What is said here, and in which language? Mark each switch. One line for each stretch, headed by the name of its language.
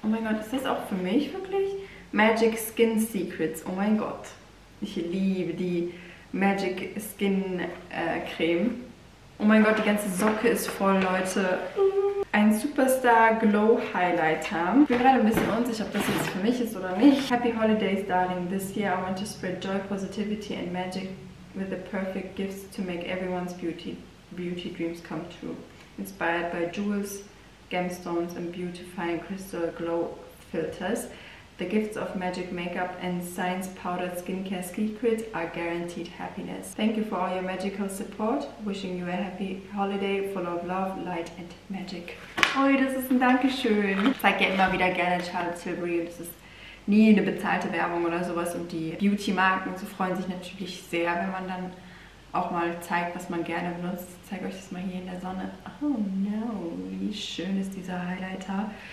German: Oh mein Gott, ist das auch für mich wirklich? Magic Skin Secrets, oh mein Gott. Ich liebe die Magic Skin Creme. Oh mein Gott, die ganze Socke ist voll, Leute. Ein Superstar Glow Highlighter. Ich bin gerade ein bisschen unsicher, ob das jetzt für mich ist oder nicht.
English: Happy Holidays, Darling. This year I want to spread joy, positivity and magic with the perfect gifts to make everyone's beauty dreams come true. Inspired by jewels, gemstones and beautifying crystal glow filters. The gifts of magic makeup and science powdered skincare secrets are guaranteed happiness. Thank you for all your magical support. Wishing you a happy holiday full of love, light and magic.
German: Ui, das ist ein Dankeschön. Ich zeige ja immer wieder gerne Charlotte Tilbury. Das ist nie eine bezahlte Werbung oder sowas. Und die Beauty-Marken so freuen sich natürlich sehr, wenn man dann auch mal zeigt, was man gerne benutzt. Ich zeige euch das mal hier in der Sonne.
English: Oh no,
German: wie schön ist dieser Highlighter.